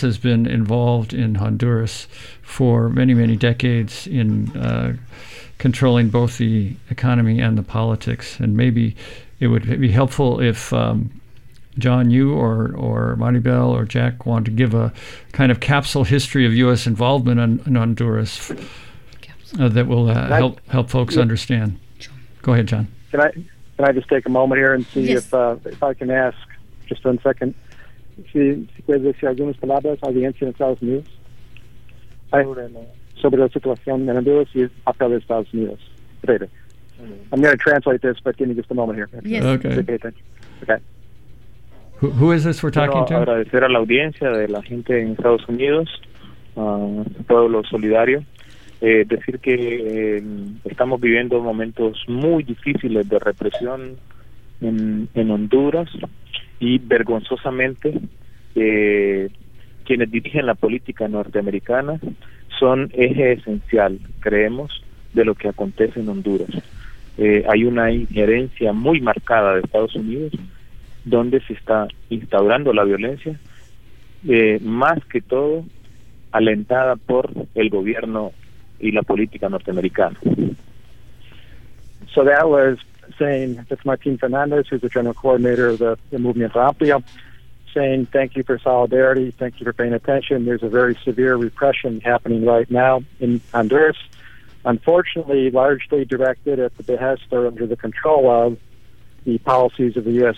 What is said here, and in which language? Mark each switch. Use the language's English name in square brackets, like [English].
[English] has been involved in Honduras for many, many decades in controlling both the economy and the politics. And maybe it would be helpful if John, you or Maribel or Jack want to give a kind of capsule history of U.S. involvement in Honduras that will help folks understand. Go ahead, John. Can I just take a moment here and see if I can ask, just one second, [Spanish] si puedes decir algunas palabras a la audiencia de Estados Unidos sobre la situación en Honduras y el papel de Estados Unidos. [English] I'm going to translate this, but give me just a moment here. Yes. Okay. Who is this we're talking to? [Spanish] Agradecer a la audiencia de la gente en Estados Unidos, pueblo solidario. Decir que estamos viviendo momentos muy difíciles de represión en Honduras y vergonzosamente quienes dirigen la política norteamericana son eje esencial, creemos, de lo que acontece en Honduras. Hay una injerencia muy marcada de Estados Unidos donde se está instaurando la violencia, más que todo alentada por el gobierno y la política norteamericana. [English] So that was saying, that's Martin Fernandez, who's the general coordinator of the Movimiento Amplio, saying thank you for solidarity, thank you for paying attention. There's a very severe repression happening right now in Honduras, unfortunately largely directed at the behest or under the control of the policies of the U.S.